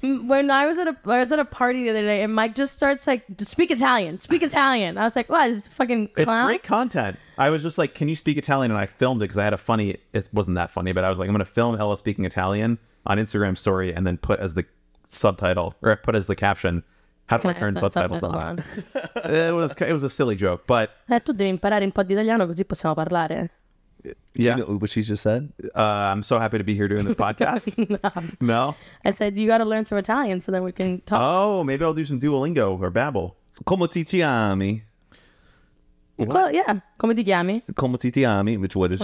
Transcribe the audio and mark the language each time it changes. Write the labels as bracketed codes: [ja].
[en] When I was at a party the other day, and Mike just starts like, speak Italian, speak Italian. I was like, wow, this is fucking clown. It's great content. I was just like, can you speak Italian? And I filmed it because I had a funny, it wasn't that funny, but I was like, I'm going to film Ella speaking Italian on Instagram story and then put as the subtitle, or put as the caption, how do I turn subtitles on? It was a silly joke, but... [it] Tu devi imparare un po' di italiano così possiamo parlare. [en] Yeah. Do you know what she just said? I'm so happy to be here doing this podcast. No. I said, you got to learn some Italian so then we can talk. Oh, maybe I'll do some Duolingo or Babbel. [it] Come ti chiami? [en] Well, yeah. [it] Come ti chiami? Come ti chiami, [en] which what is